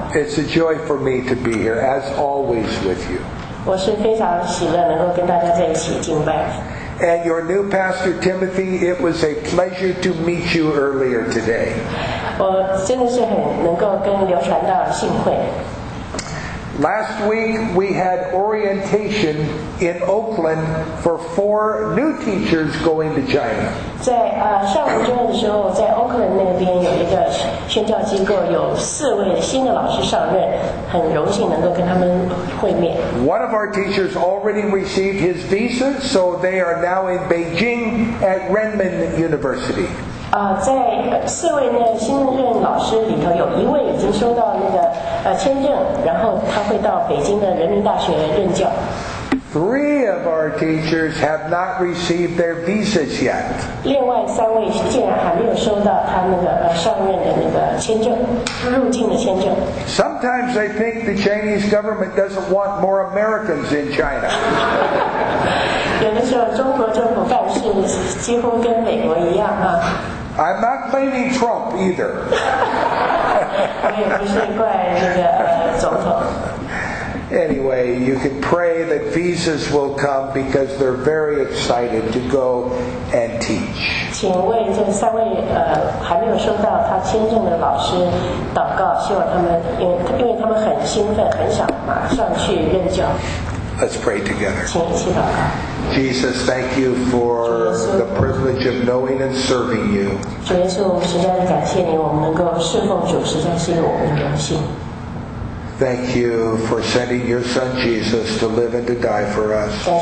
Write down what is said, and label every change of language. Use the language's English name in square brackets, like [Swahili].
[English] It's a joy for me to be here, as always, with you. [Chinese] 我是非常喜乐能够跟大家在一起敬拜。 [English] And your new pastor, Timothy, it was a pleasure to meet you earlier today. [Chinese] 我真的是很能够跟刘传道幸会。 [English] Last week, we had orientation in Oakland for 4 new teachers going to China. [Chinese] 在上午中的时候，在 Oakland 那边有一个宣教机构，有四位新的老师上任，很荣幸能够跟他们会面。 [English] One of our teachers already received his visa, so they are now in Beijing at Renmin University. [Chinese] 在四位那新任老师里头，有一位已经收到那个签证，然后他会到北京的人民大学任教。 [English] Three of our teachers have not received their visas yet. [Chinese] 另外三位竟然还没有收到他那个上任的那个签证，入境的签证。 [English] Sometimes I think the Chinese government doesn't want more Americans in China. [Chinese] 有的时候中国政府办事几乎跟美国一样啊。 [English] I'm not blaming Trump either. [Chinese] 我也不是怪那个总统。 [English] Anyway, you can pray that visas will come because they're very excited to go and teach. [Chinese] 请为这三位还没有收到他签证的老师祷告，希望他们因为他们很兴奋，很想马上去任教。 [English] Let's pray together. [Chinese] 请一起祷告。 [English] Jesus, thank you for the privilege of knowing and serving you. [Chinese] 主耶稣，实在感谢你，我们能够侍奉主，实在是我们的荣幸。 [English] Thank you for sending your son Jesus to live and to die for us.